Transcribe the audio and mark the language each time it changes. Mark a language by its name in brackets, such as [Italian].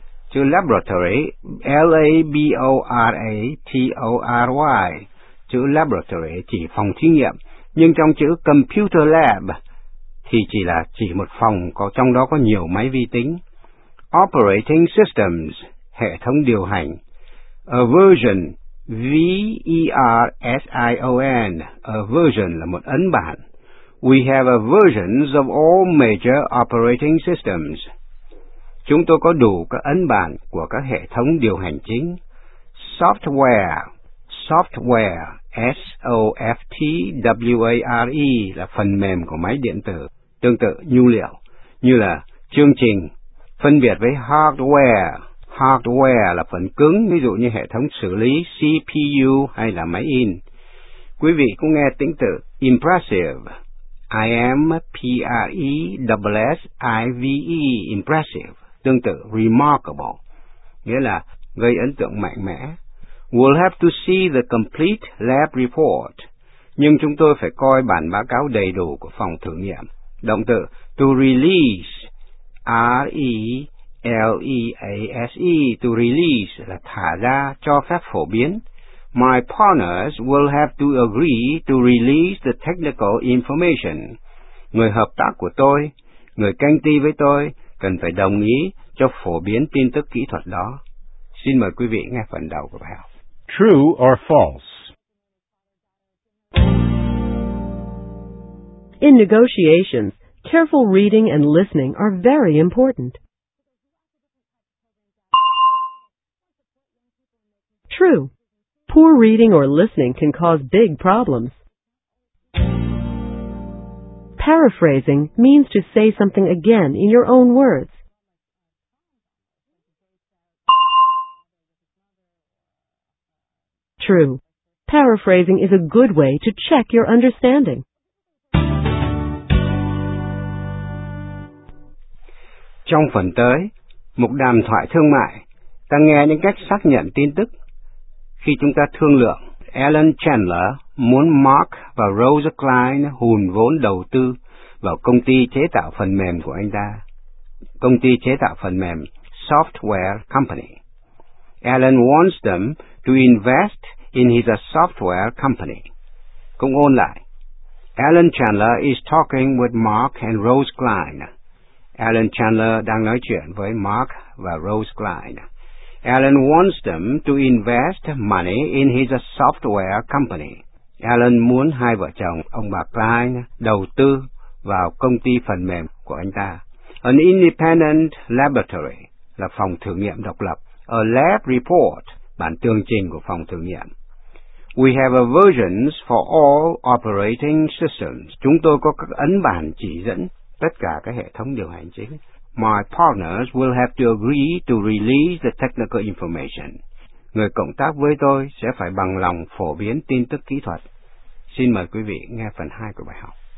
[Vietnamese] Chữ laboratory, L-A-B-O-R-A-T-O-R-Y, chữ laboratory chỉ phòng thí nghiệm, nhưng trong chữ computer lab thì chỉ là chỉ một phòng có trong đó có nhiều máy vi tính. Operating systems, hệ thống điều hành. A version, V-E-R-S-I-O-N, a version là một ấn bản. [English] We have a versions of all major operating systems. [Vietnamese] Chúng tôi có đủ các ấn bản của các hệ thống điều hành chính. Software, software, S-O-F-T-W-A-R-E là phần mềm của máy điện tử, tương tự nhu liệu, như là chương trình, phân biệt với hardware. Hardware là phần cứng, ví dụ như hệ thống xử lý CPU hay là máy in. Quý vị cũng nghe tính từ impressive, I-M-P-R-E-S-S-I-V-E, impressive, tương tự remarkable, nghĩa là gây ấn tượng mạnh mẽ. [English] We'll have to see the complete lab report, [Vietnamese] nhưng chúng tôi phải coi bản báo cáo đầy đủ của phòng thử nghiệm. Động từ to release, R-E, L-E-A-S-E, to release là thả ra, cho phép phổ biến. [English] My partners will have to agree to release the technical information. [Vietnamese] Người hợp tác của tôi, người canh ti với tôi, cần phải đồng ý cho phổ biến tin tức kỹ thuật đó. Xin mời quý vị nghe phần đầu của bài học. [English] True or false? In negotiations, careful reading and listening are very important. True. Poor reading or listening can cause big problems. Paraphrasing means to say something again in your own words. True. Paraphrasing is a good way to check your understanding. [Vietnamese] Trong phần tới, một đàm thoại thương mại, ta nghe những cách xác nhận tin tức. Khi chúng ta thương lượng, Alan Chandler muốn Mark và Rose Klein hùn vốn đầu tư vào công ty chế tạo phần mềm của anh ta, công ty chế tạo phần mềm Software Company. [English] Alan wants them to invest in his software company. [Vietnamese] Cũng ôn lại, [English] Alan Chandler is talking with Mark and Rose Klein. [Vietnamese] Alan Chandler đang nói chuyện với Mark và Rose Klein. [English] Alan wants them to invest money in his software company. [Vietnamese] Alan muốn hai vợ chồng, ông bà Klein, đầu tư vào công ty phần mềm của anh ta. An independent laboratory là phòng thử nghiệm độc lập. A lab report, bản tường trình của phòng thử nghiệm. [English] We have a versions for all operating systems. [Vietnamese] Chúng tôi có các ấn bản chỉ dẫn tất cả các hệ thống điều hành chính. [English] My partners will have to agree to release the technical information. [Vietnamese] Người cộng tác với tôi sẽ phải bằng lòng phổ biến tin tức kỹ thuật. Xin mời quý vị nghe phần 2 của bài học.